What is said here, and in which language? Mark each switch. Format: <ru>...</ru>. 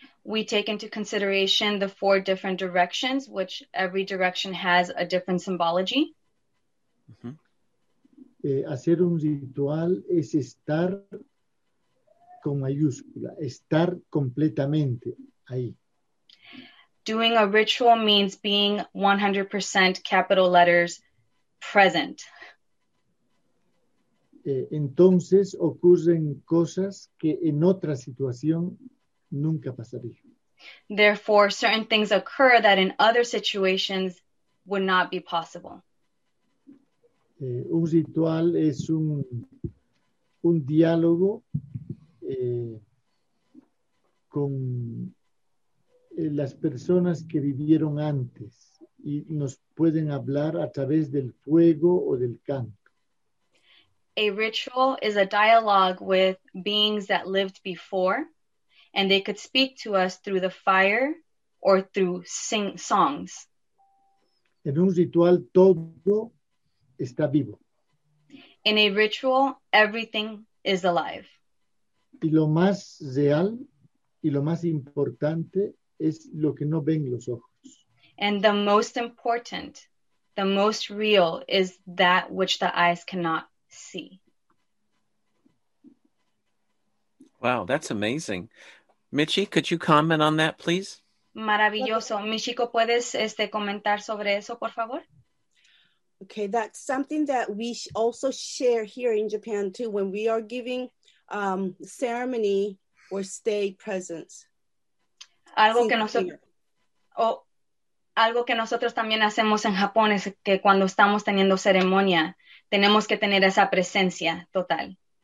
<en>We take into consideration the four different directions, which every direction has a different symbology. Uh-huh.</en> <es>Hacer un ritual es estar con mayúscula, estar completamente ahí.</es> <en>Doing a ritual means being 100% capital letters present.</en> <es>Entonces ocurren cosas que en otra situación nunca pasaría.</es> <en>Therefore, certain things occur that in other situations would not be possible.</en> <es>Un ritual es un diálogo con las personas que vivieron antes y nos pueden hablar a través del fuego o del canto.</es> <en>A ritual is a dialogue with beings that lived before, and they could speak to us through the fire or through songs.</en> <es>En un ritual, todo está vivo.</es> <en>In a ritual, everything is alive.</en> <es>Y lo más real y lo más importante es lo que no ven los ojos.</es> <en>And the most important, the most real, is that which the eyes cannot see. Wow, that's amazing. Michi, could you comment on that, please?</en> <es>Maravilloso. Michiko, ¿puedes comentar sobre eso, por favor?</es> <en>Okay, that's something that we also share here in Japan, too, when we are giving ceremony or stay presence.</en> <es>Algo que nosotros también hacemos en Japón es que cuando estamos teniendo ceremonia, tenemos que tener esa presencia total.</es>